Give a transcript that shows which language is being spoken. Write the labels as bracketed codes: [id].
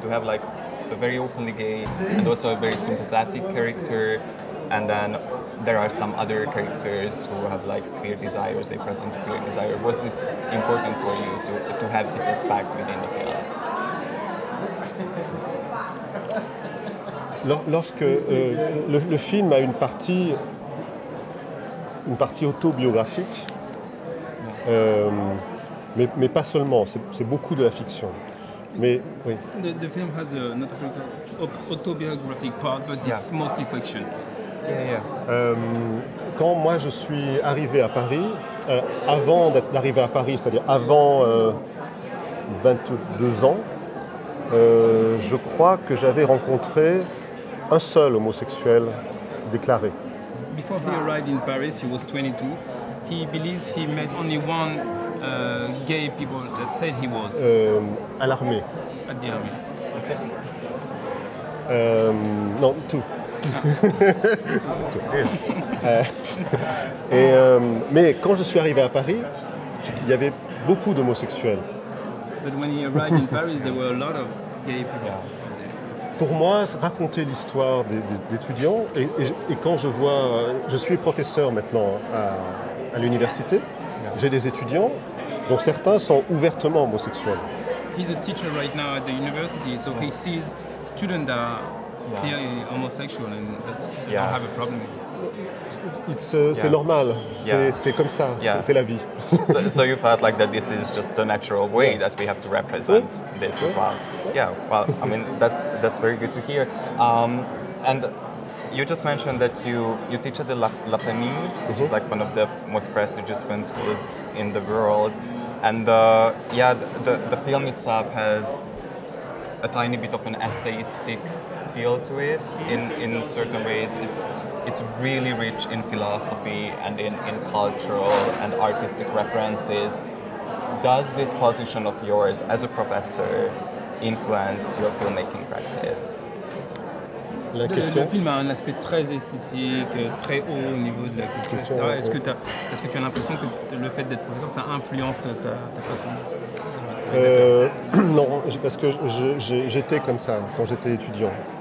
[en] To have like a very openly gay and also a very sympathetic character, and then there are some other characters who have like queer desires, they present queer desire. Was this important for you to have this aspect within the film? [fr] Lorsque le film a une partie autobiographique, mais pas seulement, c'est beaucoup de la fiction. Mais oui. [en] The film has a not autobiographic part, but it's mostly fiction. [fr] Quand moi je suis arrivé à Paris, avant d'arriver à Paris, c'est-à-dire avant 22 ans, je crois que j'avais rencontré un seul homosexuel déclaré. [en] Before he arrived in Paris, he was 22. He believes he met only one gay people that said he was. [fr] À l'armée. [en] At the army. Okay. [fr] Non, tout. Mais quand je suis arrivé à Paris, il y avait beaucoup d'homosexuels. [en] But when he arrived in Paris, there were a lot of gay people. [fr] Pour moi, raconter l'histoire d'étudiants, et quand je vois, je suis professeur maintenant à l'université, j'ai des étudiants dont certains sont ouvertement homosexuels. [en] He's a teacher right now at the university, so he sees students that are clearly homosexual and don't have a problem. [fr] C'est normal. C'est comme ça. C'est la vie. [en] So you felt like that this is just the natural way that we have to represent this as well. Yeah. Well, I mean that's very good to hear. And you just mentioned that you teach at the La Famille, which is like one of the most prestigious film schools in the world. And the film itself has a tiny bit of an essayistic feel to it. In certain ways, it's really rich in philosophy and in cultural and artistic references. Does this position of yours as a professor influence your filmmaking practice? [fr] La question. Le film a un aspect très esthétique, très haut au niveau de la culture, etc. Est-ce que tu as l'impression que le fait d'être professeur, ça influence ta façon? Non, parce que j'étais comme ça quand j'étais étudiant.